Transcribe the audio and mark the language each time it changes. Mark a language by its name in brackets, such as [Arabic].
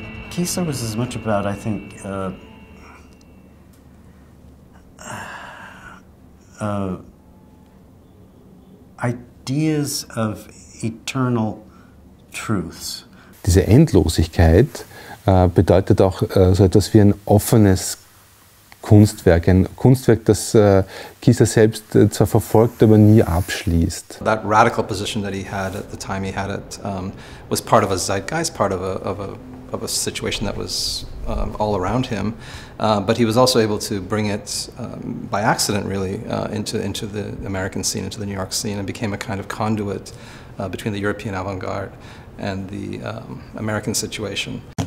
[English] Kiesler was as much about, I think, ideas of eternal truths. [German] Diese Endlosigkeit bedeutet auch so etwas wie ein offenes Kunstwerk, ein Kunstwerk, das Kiesler selbst zwar verfolgt, aber nie abschließt. [English] That radical position that he had at the time he had it was part of a zeitgeist, part of a situation that was all around him. But he was also able to bring it by accident, really, into the American scene, into the New York scene, and became a kind of conduit between the European avant-garde and the American situation.